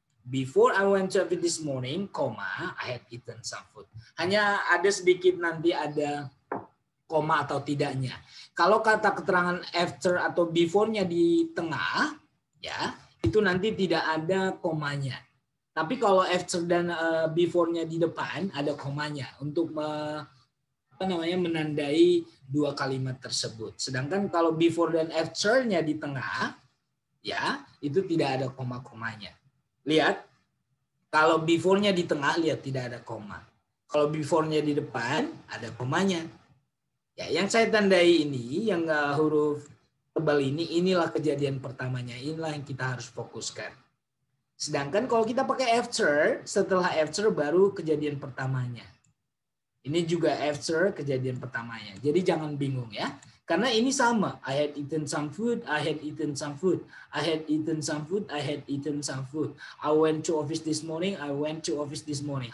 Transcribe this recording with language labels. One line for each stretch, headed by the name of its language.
English: Before I went to bed this morning, comma, I had eaten some food.
Indonesian: Hanya ada sedikit nanti ada koma atau tidaknya. Kalau kata keterangan after atau before-nya di tengah, ya, itu nanti tidak ada komanya. Tapi kalau after dan before-nya di depan ada komanya untuk menandai dua kalimat tersebut. Sedangkan kalau before dan after-nya di tengah, ya, itu tidak ada koma-komanya. Lihat. Kalau before-nya di tengah, lihat, tidak ada koma. Kalau before-nya di depan ada komanya. Ya, yang saya tandai ini, yang huruf tebal ini, inilah kejadian pertamanya, inilah yang kita harus fokuskan. Sedangkan kalau kita pakai after, setelah after baru kejadian pertamanya. Ini juga after kejadian pertamanya. Jadi jangan bingung ya. Karena ini sama.
English: I had eaten some food, I had eaten some food. I had eaten some food, I had eaten some food. I went to office this morning, I went to office this morning.